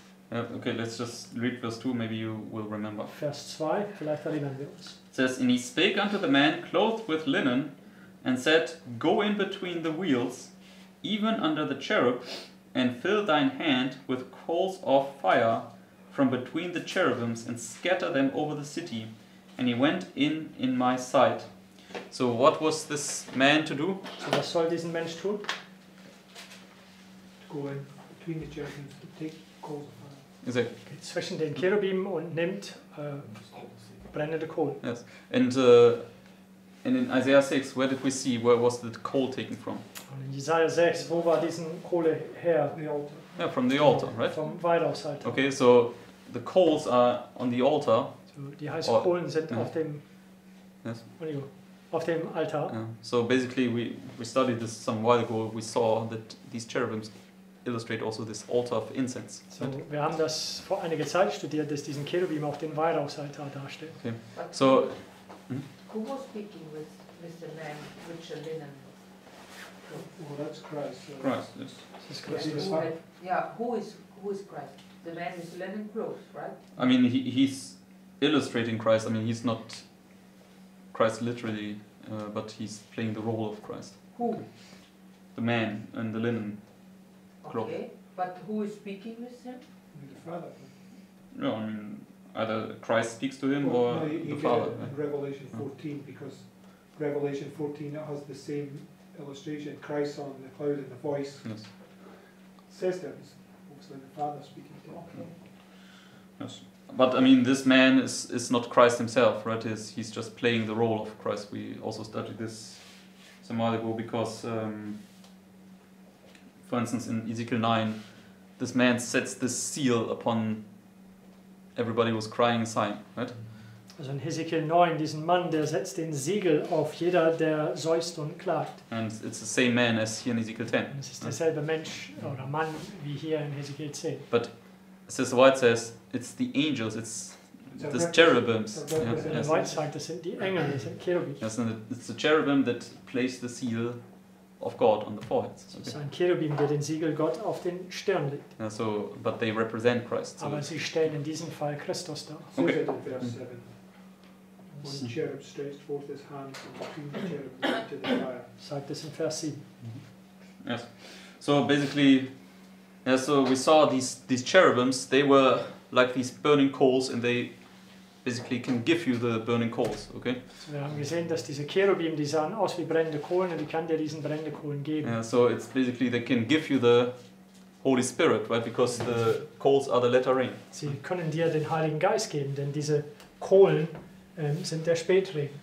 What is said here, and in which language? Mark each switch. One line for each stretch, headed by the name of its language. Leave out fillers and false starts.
English: Yeah, okay, let's just read verse 2, maybe you will remember.
German: Vers 2, vielleicht erinnern wir uns.
English: It says, and he spake unto the man clothed with linen, and said, go in between the wheels, even under the cherub, and fill thine hand with coals of fire from between the cherubims, and scatter them over the city. And he went in my sight. So what was this man to do?
German: So was soll diesen Mensch tun?
English: To go in between the cherubims, to take coals of fire.
German: Exactly. Zwischen den Cherubim und nimmt brennende Kohle.
English: Yes. And in Isaiah 6, where did we see where was the coal taken from?
German: Und in Isaiah 6, wo war diesen Kohle her?
English: The altar. Yeah, from the altar, right?
German: Vom Weihrauchsaltar.
English: Okay, so the coals are on the altar. So
German: die heißen Kohlen sind auf dem.
English: Yes.
German: Auf dem Altar.
English: Yeah. So basically, we studied this some while ago. We saw that these cherubims illustrate also this altar of incense. So, we have
German: das vor einiger Zeit studiert, dass diesen Cherubim auf den Weihrauchsaltar darstellt.
English: Okay. But so, who was speaking with the man Richard Linen? Well, that's Christ. Christ, yes. This is Christ. Yeah, who is Christ? The man is linen clothes, right? I mean, he's illustrating Christ. I mean, he's not Christ literally, but he's playing the role of Christ. Who? The man in the linen. Okay, but who is speaking with him? The Father. No, I mean, either Christ speaks to him the Father. Revelation 14, because Revelation 14 has the same illustration, Christ on the cloud and the voice. Yes. Says that it's obviously the Father speaking to him. Okay. Yes. But, I mean, this man is not Christ himself, right? He's just playing the role of Christ. We also studied this some while ago because for instance, in Ezekiel 9, this man sets this seal upon everybody who's crying sign, right?
German: Also in Ezekiel 9, diesen Mann, der setzt den Siegel auf jeder, der seufzt und klagt.
English: And it's the same man as here in Ezekiel 10.
German: Es ist derselbe Mensch oder Mann wie hier in Ezekiel 10.
English: But Sister White says, it's the angels, it's the cherubims. Yeah.
German: White sagt, das sind die Engel, das sind Cherubim.
English: Yes, it's the cherubim that place the seal of God on the forehead. So it's a cherubim,
German: der den Siegel Gott auf den Stirn legt.
English: Yeah, so, but they represent Christ. So.
German: Aber sie stellen in diesem Fall Christus dar.
English: Okay. Verse 7. When the cherub stretched forth his hand between the cherubim to the fire.
German: Sagt das in Vers 7.
English: Mm-hmm. Yes. So basically, yeah, so we saw these cherubims, they were like these burning coals, and they basically can give you the burning coals, okay?
German: So wir haben gesehen, dass diese Cherubim, die sahen aus wie brennende Kohlen, und die kann dir diesen brennende Kohlen geben.
English: Yeah, so it's basically they can give you the Holy Spirit, right? Because the coals are the latter rain.
German: Sie können dir den Heiligen Geist geben, denn diese Kohlen sind der Spätregen.